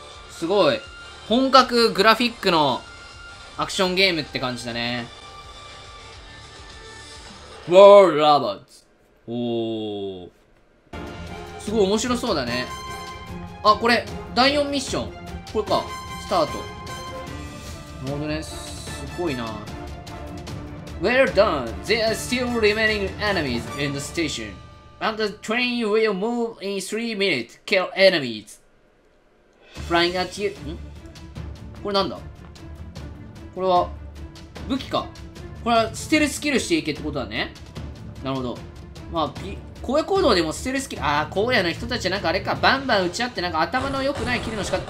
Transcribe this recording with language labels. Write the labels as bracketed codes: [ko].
[ja] すごい本格グラフィックのアクションゲームって感じだね。ワールドラバーズ、おー、すごい面白そうだね。あ、これ第4ミッション、これか、スタート。なるほどね、すごいな。 [en] Well done! There are still remaining enemies in the station and the train will move in 3 minutes. Kill enemies flying at you. ん？ [ja] これなんだ、これは武器か。これはステルスキルしていけってことだね。なるほど。まあ、公野行動でもステルスキル。ああ、荒野の人たちはなんかあれか。バンバン撃ち合って、なんか頭の良くないキルのしか。